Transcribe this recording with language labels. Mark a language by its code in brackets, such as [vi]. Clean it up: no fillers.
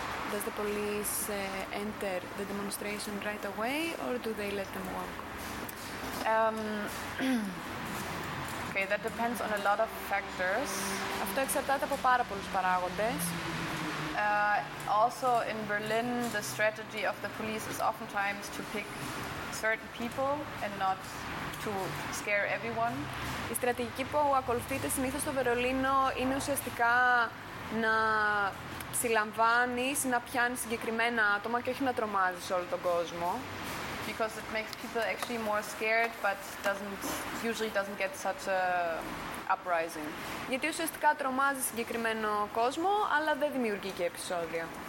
[en] Does the police enter the demonstration right away or do they let them walk? Okay, that depends on a lot of factors. [el] Αυτό εξαρτάται από πάρα πολλούς παράγοντες. [en] Also in Berlin, the strategy of the police is oftentimes to pick certain people and not to scare everyone. [el] Η στρατηγική που ακολουθείται συνήθως στο Βερολίνο είναι ουσιαστικά να συλλαμβάνεις, να πιάνεις συγκεκριμένα άτομα και όχι να τρομάζεις όλο τον κόσμο. [en] Because it makes people actually more scared, but usually doesn't get such a uprising. [el] Γιατί ουσιαστικά τρομάζει συγκεκριμένο κόσμο, αλλά δεν δημιουργεί και επεισόδια.